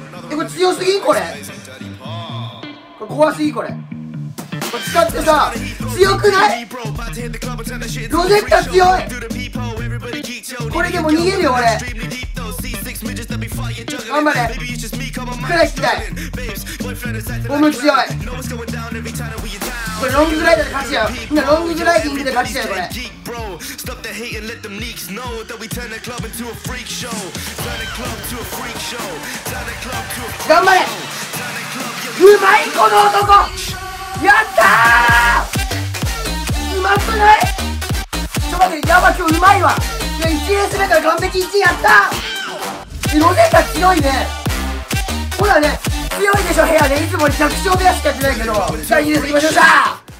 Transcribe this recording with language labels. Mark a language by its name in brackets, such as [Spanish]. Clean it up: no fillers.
[Japanese] え、これ強すぎ、これ怖すぎ、これ使ってさ、強くない、ロゼッタ強い。これでも逃げるよ俺、頑張れ、くらい引きたい。ボム強い。これロンググライダーで勝ちやん。みんなロンググライディングで勝ちやん、これ。 [English] Stop the hate and let them neeks know that we turn the club into a freak show. Turn the club to a freak show. Turn the club to a freak show. [Japanese] 頑張れ。うまい、この男。やったー。うまくない？ちょっと待って、やば、今日うまいわ。いや、1レース目から完璧1位やったー。ロゼッタ強いね。ほらね、強いでしょ、部屋ね。いつも弱小部屋しかやってないけど。じゃあ2レース行きましょう。さあ。